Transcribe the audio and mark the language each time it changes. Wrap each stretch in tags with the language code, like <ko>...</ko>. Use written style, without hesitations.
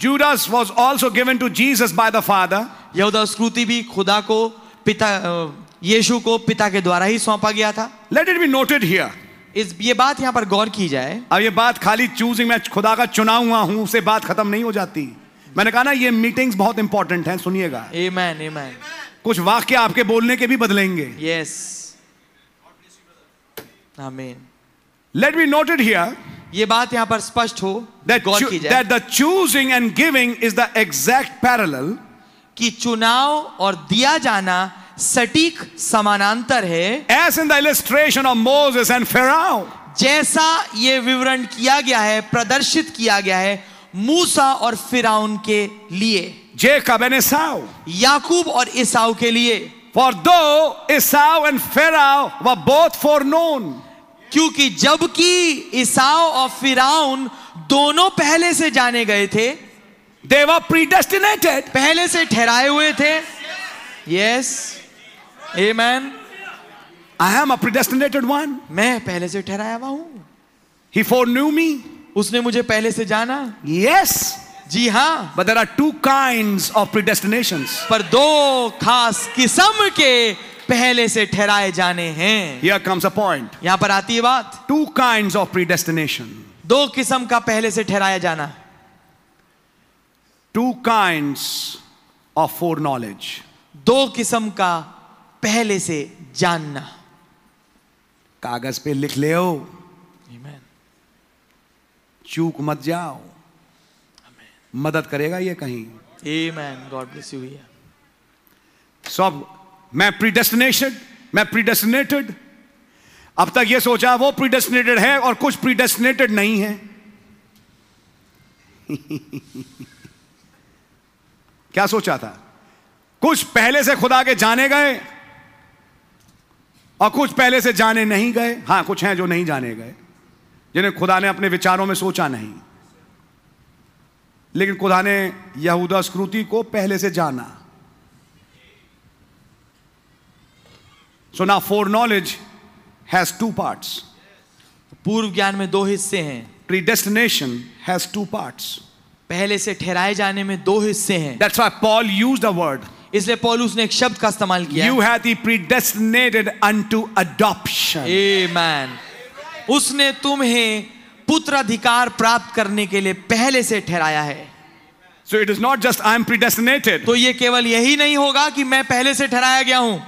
<en>Judas was also given to Jesus by the Father.</en> <hi>यहूदा स्क्रूति भी खुदा को पिता यीशु को पिता के द्वारा ही सौंपा गया था.</hi> <en>Let it be noted here.</en> <hi>इस ये बात यहाँ पर गौर की जाए. अब ये बात खाली choosing मैं खुदा का चुना हुआ हूँ से बात खत्म नहीं हो जाती. मैंने कहा ना ये meetings बहुत important हैं, सुनिएगा.</hi> <en>Amen, amen.</en> <hi>कुछ वाक्य आपके बोलने के भी बदलेंगे.</hi> <en>Yes. Amen. Let me note it here.</en> <hi>ये बात यहाँ पर स्पष्ट हो.</hi> <en>That the choosing and giving is the exact parallel.</en> <hi>कि चुनाव और दिया जाना सटीक समानांतर है.</hi> <en>As in the illustration of Moses and Pharaoh.</en> <hi>जैसा ये विवरण किया गया है, प्रदर्शित किया गया है मूसा और फिराउन के लिए.</hi> <en>Jacob and Esau.</en> <hi>याकूब और इसाव के लिए.</hi> <en>For though Esau and Pharaoh were both foreknown.</en> <hi>क्योंकि जबकि इसाव और फिराउन दोनों पहले से जाने गए थे.</hi> <en>They were predestinated.</en> <hi>पहले से ठहराए हुए थे.</hi> <en>Yes. Amen. I am a predestinated one.</en> <hi>मैं पहले से ठहराया हुआ हूं.</hi> <en>He foreknew me.</en> <hi>उसने मुझे पहले से जाना.</hi> <en>Yes.</en> <hi>जी हाँ.</hi> <en>But there are two kinds of predestinations.</en> <hi>पर दो खास किस्म के पहले से ठहराए जाने हैं.</hi> <en>Here comes a point.</en> <hi>यहां पर आती है बात.</hi> <en>Two kinds of predestination.</en> <hi>दो किस्म का पहले से ठहराया जाना.</hi> <en>Two kinds of foreknowledge.</en> <hi>दो किस्म का पहले से जानना. कागज पे लिख ले ओ.</hi> <en>Amen.</en> <hi>चूक मत जाओ.</hi> <en>Amen.</en> <hi>मदद करेगा ये कहीं.</hi> <en>Amen. God bless you. Yeah.</en> <hi>So, मैं predestinated. अब तक ये सोचा वो predestinated है और कुछ predestinated नहीं है. क्या सोचा था? कुछ पहले से खुदा के जाने गए और कुछ पहले से जाने नहीं गए. हां कुछ हैं जो नहीं जाने गए, जिन्हें खुदा ने अपने विचारों में सोचा नहीं. लेकिन खुदा ने यहूदा स्क्रूति को पहले से जाना.</hi> <en>So now foreknowledge has two parts.</en> <hi>पूर्व ज्ञान में दो हिस्से हैं.</hi> <en>Predestination has two parts.</en> <hi>पहले से ठहराए जाने में दो हिस्से हैं.</hi> <en>That's why Paul used a word.</en> <hi>इसलिए पौलुस ने एक शब्द का इस्तेमाल किया.</hi> <en>You had the predestinated unto adoption. Amen.</en> <hi>उसने तुम्हें पुत्राधिकार प्राप्त करने के लिए पहले से ठहराया है.</hi> <en>So it is not just I am predestinated.</en> <hi>तो ये केवल यही नहीं होगा कि मैं पहले से ठहराया गया हूं.</hi>